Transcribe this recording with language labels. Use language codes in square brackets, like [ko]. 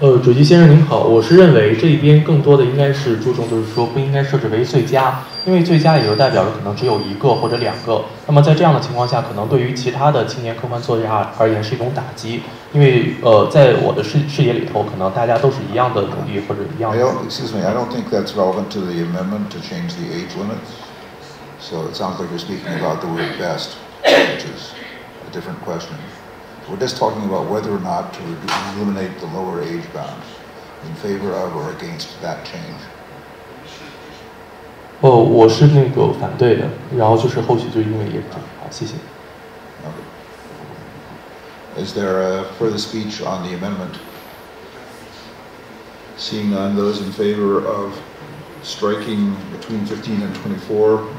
[zh] 主席先生您好，我是认为这一边更多的应该是注重，就是说不应该设置为最佳，因为最佳也就代表着可能只有一个或者两个，那么在这样的情况下，可能对于其他的青年科幻作家而言是一种打击，因为在我的视野里头，可能大家都是一样的努力或者一样的。 [en] Excuse me, I don't think that's relevant to the amendment to change the age limits. So it sounds like you're speaking about the word best, which is a different question. We're just talking about whether or not to eliminate the lower age bound in favor of or against that change. [zh] Oh, 我是那个反对的，然后就是后续就因为也好，谢谢。 [en] Okay. Is there a further speech on the amendment? Seeing none, those in favor of striking between 15 and 24.